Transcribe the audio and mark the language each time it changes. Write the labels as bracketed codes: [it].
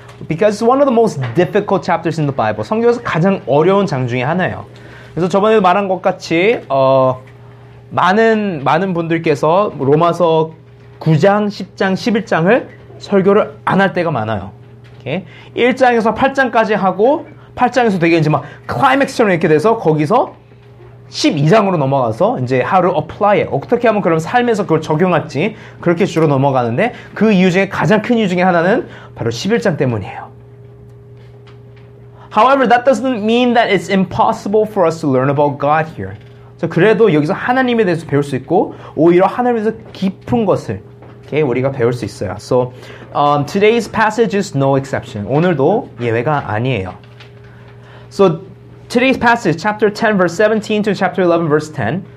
[en] Because it's one of the most difficult chapters in the Bible. [ko] 성경에서 가장 어려운 장 중에 하나예요. 그래서 저번에 말한 것 같이 많은 분들께서 로마서 9장, 10장, 11장을 설교를 안 할 때가 많아요. 오케이? 1장에서 8장까지 하고 8장에서 되게 이제 막 클라이맥스처럼 이렇게 돼서 거기서 12장으로 넘어가서 이제 [en] how to apply it. [ko] 어떻게 하면 그럼 삶에서 그걸 적용할지 그렇게 주로 넘어가는데 그 이유 중에 가장 큰 이유 중에 하나는 바로 11장 때문이에요. [en] However, that doesn't mean that it's impossible for us to learn about God here. [ko] 그래도 여기서 하나님에 대해서 배울 수 있고 오히려 하나님에서 깊은 것을 okay, 우리가 배울 수 있어요. [en] So today's passage is no exception. [ko] 오늘도 예외가 아니에요. [en] So today's passage, chapter 10, verse 17 to chapter 11, verse 10.